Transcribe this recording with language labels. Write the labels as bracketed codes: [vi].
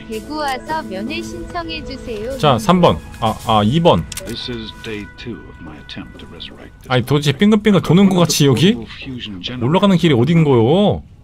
[ko] 대구 와서 면회 신청해 주세요. 자, 3번. 2번. [en] This is day 2 of my attempt to resurrect. [ko] 아니, 도대체 빙글빙글 도는 거 같이 여기? 올라가는 길이 어딘 거요?